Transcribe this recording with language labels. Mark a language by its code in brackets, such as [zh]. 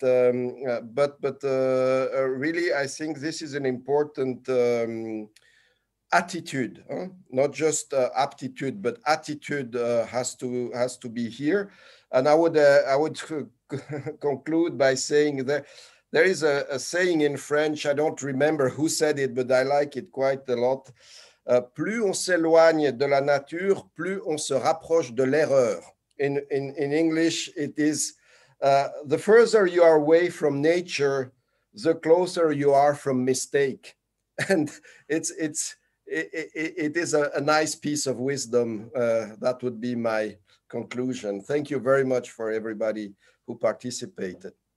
[en] Really, I think this is an important attitude, not just aptitude, but attitude has to be here. And I would conclude by saying that there is a saying in French. I don't remember who said it, but I like it quite a lot. [fr] Plus on s'éloigne de la nature, plus on se rapproche de l'erreur. [en] In English, it is the further you are away from nature, the closer you are from mistake. And it is a nice piece of wisdom. That would be my conclusion. Thank you very much for everybody who participated.